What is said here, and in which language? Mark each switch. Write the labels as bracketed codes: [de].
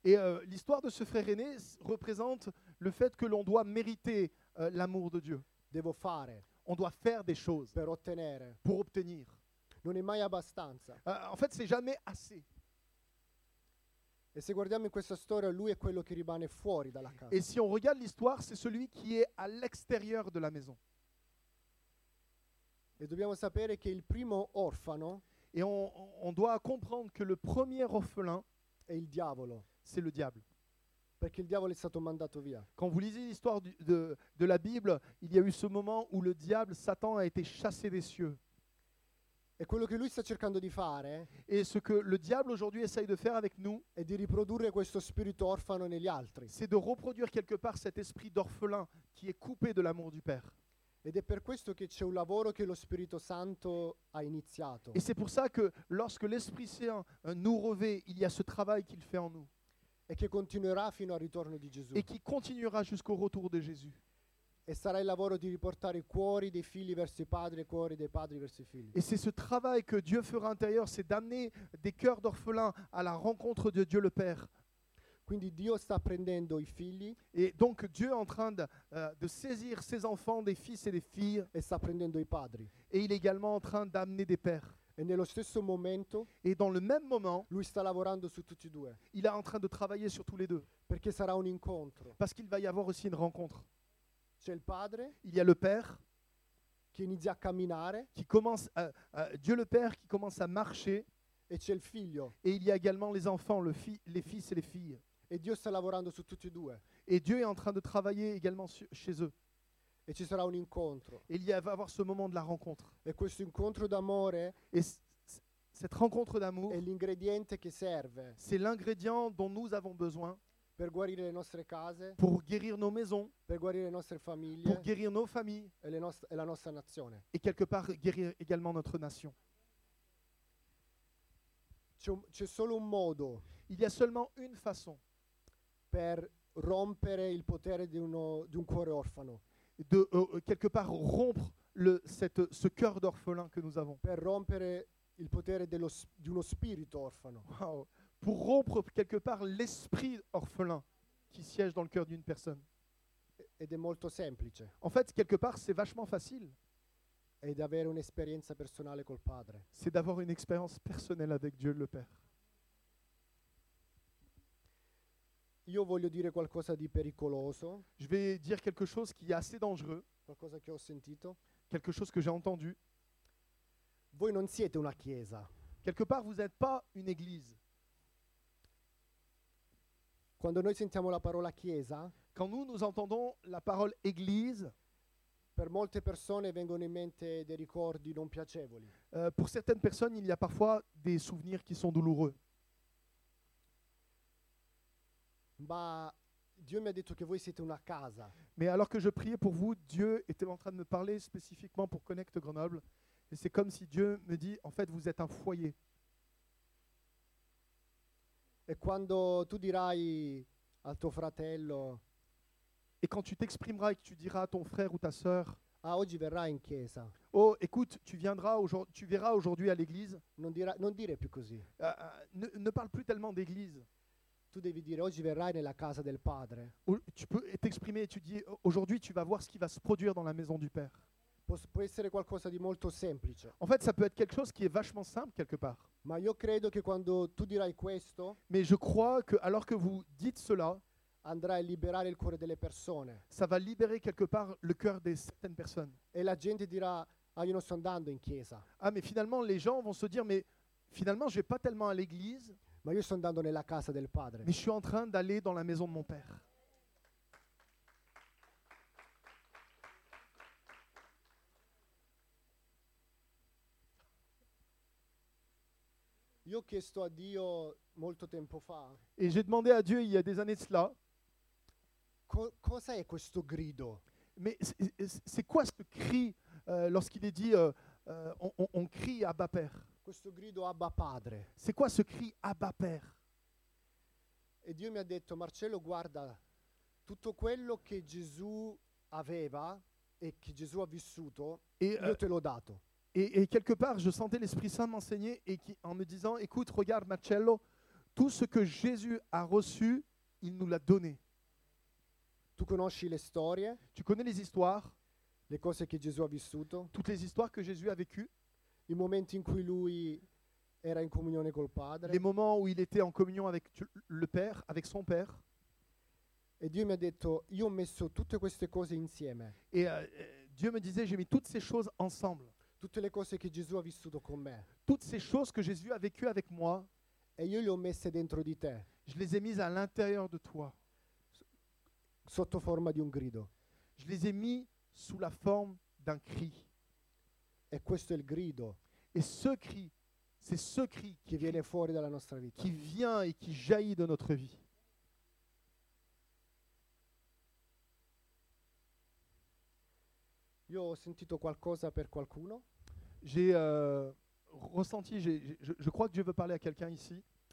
[fr] Et l'histoire de ce frère aîné représente le fait que l'on doit mériter l'amour de Dieu. [it] Devo fare. [fr] On doit faire des choses [it] per ottenere. [fr] Pour obtenir. [it] Non è mai abbastanza. [fr] En fait, c'est jamais assez. [it] E se guardiamo in questa storia, lui è quello che rimane fuori dalla casa. [fr] Et si on regarde l'histoire, c'est celui qui est à l'extérieur de la maison. [it] E dobbiamo sapere che il primo orfano. [fr] Et on doit comprendre que le premier orphelin [it] est il diavolo. [fr] C'est le diable. [it] Perché il diavolo è stato mandato via. [fr] Quand vous lisez l'histoire de la Bible, il y a eu ce moment où le diable, Satan, a été chassé des cieux. [it] E quello che lui sta cercando di fare. [fr] Et ce que le diable aujourd'hui essaye de faire avec nous. [it] È di riprodurre questo spirito orfano negli altri. [fr] C'est de reproduire quelque part cet esprit d'orphelin qui est coupé de l'amour du Père. [it] Ed è per questo che c'è un lavoro che lo Spirito Santo ha iniziato. [fr] Et c'est pour ça que lorsque l'Esprit Saint nous revêt, il y a ce travail qu'il fait en nous. [it] E che continuerà fino al ritorno di Gesù. [fr] Et qui continuera jusqu'au retour de Jésus. [it] E sarà il lavoro di riportare i cuori dei figli verso i padri e i cuori dei padri verso i figli. [fr] Et c'est ce travail que Dieu fera intérieur, c'est d'amener des cœurs d'orphelins à la rencontre de Dieu le Père. [it] Quindi Dio sta prendendo i figli. [fr] Et donc Dieu est en train de saisir ses enfants, des fils et des filles. [it] E sta prendendo i padri. [fr] Et il est également en train d'amener des pères. [it] E nello stesso momento. [fr] Et dans le même moment. [it] Lui sta lavorando su tutti e due. [fr] Il est en train de travailler sur tous les deux. [it] Perché sarà un incontro. [fr] Parce qu'il va y avoir aussi une rencontre. [it] C'è il padre. [fr] Il y a le père. [it] Che inizia a camminare. [fr] Qui commence, Dieu le Père qui commence à marcher. [it] E c'è il figlio. [fr] Et il y a également les enfants, les fils et les filles. [it] E Dio sta lavorando su tutti e due. [fr] Et Dieu est en train de travailler également chez eux. [it] E ci sarà un incontro. [fr] Et il y va avoir ce moment de la rencontre. [it] E questo incontro d'amore. [fr] Et cette rencontre d'amour. [it] È l'ingrediente che serve. [fr] C'est l'ingrédient dont nous avons besoin. [it] Per guarire le nostre case. [fr] Pour guérir nos maisons. [it] Per guarire le nostre famiglie. [fr] Pour guérir nos familles. [it] E le nostre e la nostra nazione. [fr] Et quelque part guérir également notre nation. [it] C'è solo un modo. [fr] Il y a seulement une façon. [it] Per rompere il potere d'un cuore orfano. [fr] De quelque part rompre ce cœur d'orphelin que nous avons. [it] Per rompere il potere d'uno spirito orfano. Wow. [fr] Pour rompre quelque part l'esprit orphelin qui siège dans le cœur d'une personne. [it] Ed è molto semplice. [fr] En fait, quelque part, c'est vachement facile. [it] È d'avere un'esperienza personale col padre. [fr] C'est d'avoir une expérience personnelle avec Dieu le Père. [it] Io voglio dire qualcosa di pericoloso. [fr] Je vais dire quelque chose qui est assez dangereux. [it] Qualcosa che ho sentito. [fr] Quelque chose que j'ai entendu. [it] Voi non siete una chiesa. [fr] Quelque part, vous n'êtes pas une église. [it] Quando noi sentiamo la parola chiesa, [fr] quand nous entendons la parole église, [it] per molte persone vengono in mente dei ricordi non piacevoli. [fr] Pour certaines personnes, il y a parfois des souvenirs qui sont douloureux. Ma Dieu m'a dit que vous étiez une casa. Mais alors que je priais pour vous, Dieu était en train de me parler spécifiquement pour Connect Grenoble. Et c'est comme si Dieu me dit, en fait, vous êtes un foyer. Et quand tu diras à ton fratello. Et quand tu t'exprimeras et que tu diras à ton frère ou ta sœur. [it] Ah, oggi verrai in chiesa. [fr] Oh, écoute, tu verras aujourd'hui à l'église. [it] Non dire più così. [fr] Ne parle plus tellement d'église. [it] Tu devi dire oggi verrai nella casa del padre. [fr] Tu peux t'exprimer et tu dis aujourd'hui tu vas voir ce qui va se produire dans la maison du père. [it] Può essere qualcosa di molto semplice. [fr] En fait, ça peut être quelque chose qui est vachement simple quelque part. [it] Ma io credo che quando tu dirai questo, [fr] mais je crois que alors que vous dites cela, [it] andrà a liberare il cuore delle persone. [fr] Ça va libérer quelque part le cœur de certaines personnes. [it] E la gente dirà ah io non sto andando in chiesa. [fr] Ah mais finalement les gens vont se dire mais finalement je vais pas tellement à l'église. [it] Ma io sto andando nella casa del padre. [fr] Mais je suis en train d'aller dans la maison de mon père. [it] Io ho chiesto a Dio molto tempo fa. [fr] Et j'ai demandé à Dieu il y a des années de cela. [it] Cosa è questo grido? [fr] Mais c'est quoi ce cri lorsqu'il est dit on crie Abba Père? [it] Questo grido Abba Padre. [fr] C'est quoi ce cri Abba Père? [it] E Dio mi ha detto Marcello guarda tutto quello che Gesù aveva e che Gesù ha vissuto, io te l'ho dato. [fr] Et quelque part, je sentais l'Esprit Saint m'enseigner et qui, en me disant, écoute, regarde, Marcello, tout ce que Jésus a reçu, il nous l'a donné. [it] Tu conosci le storie? [fr] Tu connais les histoires? [it] Le cose che Gesù ha vissuto? [fr] Toutes les histoires que Jésus a vécues? [it] I momenti in cui lui era in comunione col padre? [fr] Les moments où il était en communion avec le Père, avec son Père? [it] E Dio mi ha detto, io ho messo tutte queste cose insieme. [fr] Et Dieu me disait, j'ai mis toutes ces choses ensemble. Toutes les choses que Jésus a vissuto con me. Toutes ces choses que Jésus a vécues avec moi. [it] Et io le ho messe dentro di te. [fr] Je les ai mises à l'intérieur de toi. [it] Sotto forma di un grido. [fr] Je les ai mis sous la forme d'un cri. [it] E questo è il grido. [fr] Et ce cri, c'est ce cri [it] qui viene fuori dalla nostra vita. [fr] Qui vient et qui jaillit de notre vie. [it] Io ho sentito qualcosa per qualcuno. [fr] J'ai ressenti, je crois que Dieu veut parler à quelqu'un ici.